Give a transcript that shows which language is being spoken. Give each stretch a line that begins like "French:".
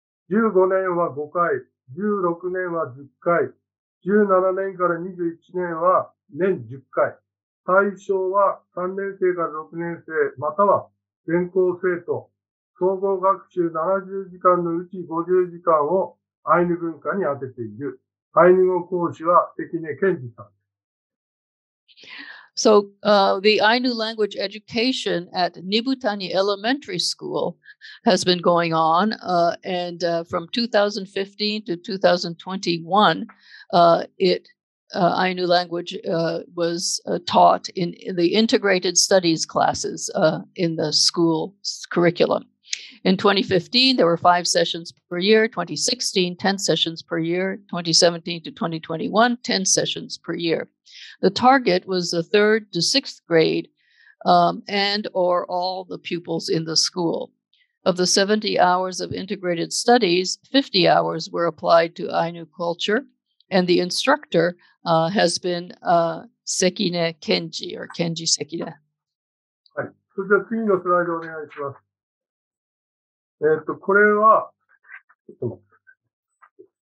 Japanese: 15年は5回、16年は10回、17年から21年は年10回。対象は3年生から6年生、または全校生徒、統合学習70時間のうち50時間をアイヌ文化に当てている。アイヌ語講師は関根健二さん。
English: So, the Ainu language education at Nibutani Elementary School has been going on, from 2015 to 2021, Ainu language was taught in the integrated studies classes in the school's curriculum. In 2015, there were 5 sessions per year, 2016, 10 sessions per year, 2017 to 2021, 10 sessions per year. The target was the 3rd to 6th grade and or all the pupils in the school. Of the 70 hours of integrated studies, 50 hours were applied to Ainu culture, and the instructor has been Sekine Kenji, or Kenji Sekine.
Japanese: はい、それでは次のスライドお願いします。これは、ちょっと待って。